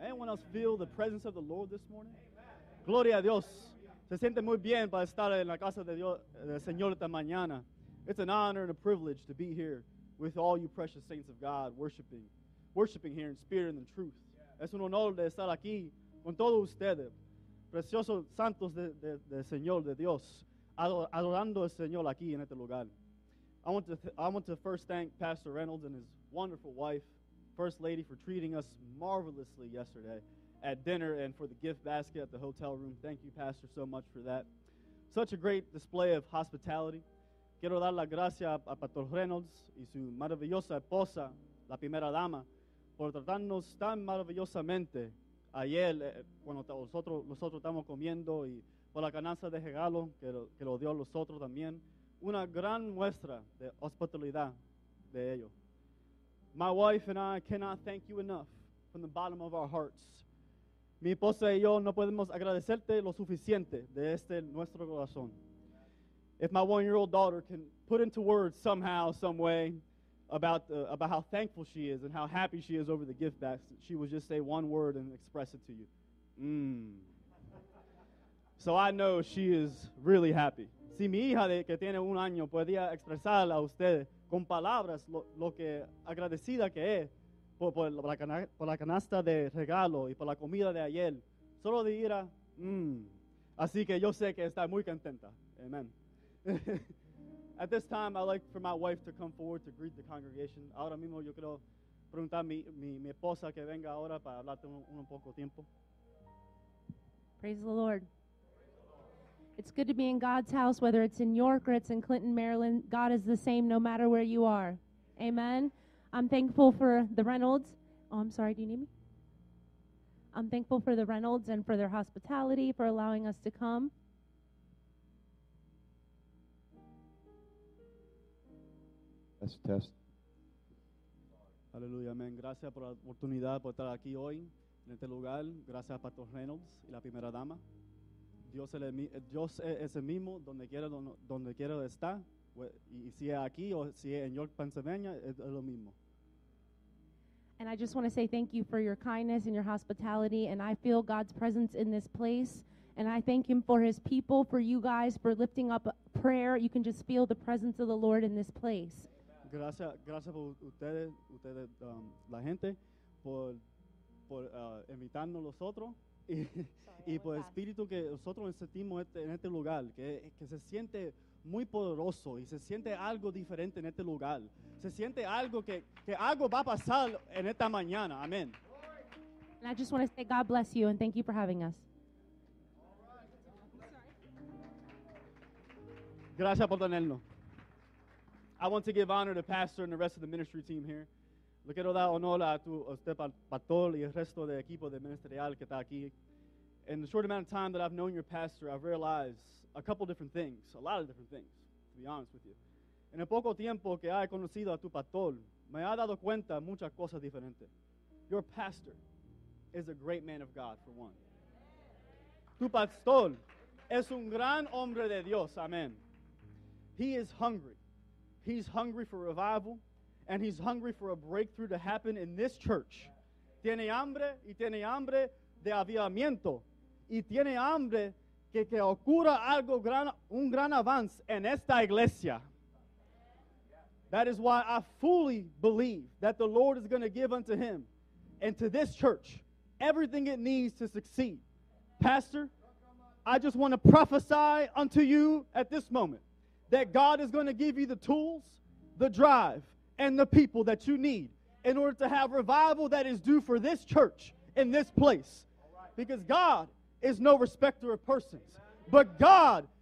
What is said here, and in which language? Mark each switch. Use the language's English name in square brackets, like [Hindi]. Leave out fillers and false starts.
[English] Anyone else feel the presence of the Lord this morning? [Spanish] Amen. Gloria a Dios. Se siente muy bien para estar en la casa de Dios, del Señor esta mañana. [English] It's an honor and a privilege to be here with all you precious saints of God worshiping. Worshiping here in spirit and in truth. [Spanish] Es un honor de estar aquí con todos ustedes. Preciosos santos del Señor de Dios. Adorando al Señor aquí en este lugar. [English] I want to first thank Pastor Reynolds and his wonderful wife, First Lady, for treating us marvelously yesterday at dinner and for the gift basket at the hotel room. Thank you, Pastor, so much for that. Such a great display of hospitality. [Spanish] Quiero dar la gracia a Pastor Reynolds y su maravillosa esposa, la primera dama, por tratarnos tan maravillosamente ayer cuando nosotros estamos comiendo y por la canasta de regalo que lo dio a nosotros también. Una gran muestra de hospitalidad de ellos. [English] My wife and I cannot thank you enough from the bottom of our hearts. [Spanish] Mi esposa y yo no podemos agradecerte lo suficiente de este nuestro corazón. [English] If my one-year-old daughter can put into words somehow, some way, about how thankful she is and how happy she is over the gift bags, she would just say one word and express it to you. So I know she is really happy. [Spanish] Si mi hija de que tiene un año podía expresar a usted con palabras lo que agradecida que es por la canasta de regalo y por la comida de ayer, solo diría, Así que yo sé que está muy contenta. Amen. [English] At this time, I'd like for my wife to come forward to greet the congregation. [Spanish] Ahora mismo yo quiero preguntar a mi esposa que venga ahora para hablarte un poco tiempo. [English] Praise the Lord. It's good to be in God's house, whether it's in York or it's in Clinton, Maryland. God is the same no matter where you are. Amen. I'm thankful for the Reynolds. Oh, I'm sorry. Do you need me? I'm thankful for the Reynolds and for their hospitality, for allowing us to come. That's a test. Hallelujah. Amen. [Spanish] Gracias por la oportunidad por estar aquí hoy en este lugar. Gracias a Pastor Reynolds y la primera dama. Dios es el mismo donde quiera está, y si es aquí o si es en York, Pennsylvania, es lo mismo. [English] And I just want to say thank you for your kindness and your hospitality, and I feel God's presence in this place, and I thank him for his people, for you guys, for lifting up prayer. You can just feel the presence of the Lord in this place. [Spanish] Gracias por ustedes la gente, por invitarnos nosotros. Y por el espíritu que nosotros sentimos en este lugar, que se siente muy poderoso y se siente algo diferente en este lugar. Se siente algo que algo va a pasar en esta mañana. Amén. [English] And I just want to say God bless you and thank you for having us. [Spanish] Gracias por tenernos. [English] I want to give honor to Pastor and the rest of the ministry team here. [Spanish] Le quiero dar honor a usted, pastor, y el resto del equipo de ministerial que está aquí. [English] In the short amount of time that I've known your pastor, I've realized a lot of different things, to be honest with you. [Spanish] En el poco tiempo que he conocido a tu pastor, me ha dado cuenta muchas cosas diferentes. [English] Your pastor is a great man of God, for one. [Spanish] Tu pastor es un gran hombre de Dios, amen. [English] He is hungry. He's hungry for revival, and he's hungry for a breakthrough to happen in this church. [Spanish] Tiene hambre y tiene hambre de avivamiento. Y tiene hambre que ocurra algo un gran avance en esta iglesia. [English] That is why I fully believe that the Lord is going to give unto him and to this church everything it needs to succeed. Pastor, I just want to prophesy unto you at this moment that God is going to give you the tools, the drive, and the people that you need in order to have revival that is due for this church in this place. Because God is no respecter of persons. But God